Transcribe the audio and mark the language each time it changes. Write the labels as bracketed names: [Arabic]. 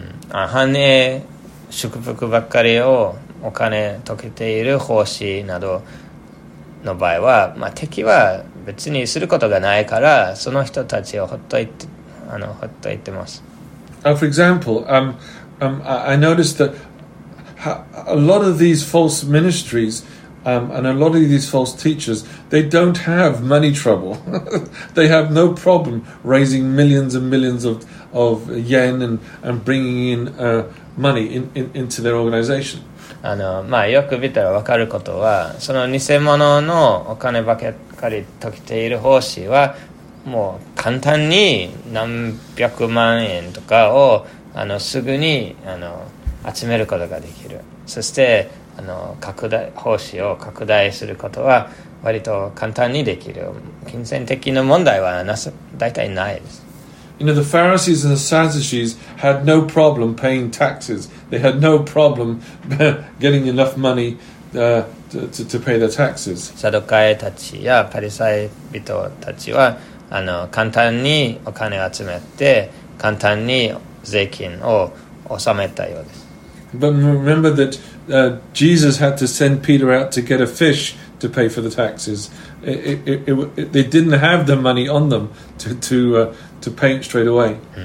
[Japanese] 繁栄祝福ばっかりをお金溶けている奉仕などの場合は、敵は別にすることがないから、その人たちをほっといてます。 [English] For example, I noticed that a lot of these false ministries, and a lot of these false teachers, they don't have money trouble. They have no problem raising millions and millions of yen and bringing in money into their organization. [Japanese] よく見たら分かることは、その偽物のお金ばかり解けている奉仕は、もう簡単に何百万円とかをすぐに集めることができる。そして奉仕を拡大することは割と簡単にできる。金銭的な問題は大体ないです。 [English] You know, the Pharisees and the Sadducees had no problem paying taxes. They had no problem getting enough money to pay their taxes. [Japanese] サドカイたちやパリサイ人たちは簡単にお金を集めて簡単に税金を納めたようです。 [English] But remember that Jesus had to send Peter out to get a fish to pay for the taxes. They didn't have the money on them to pay it straight away.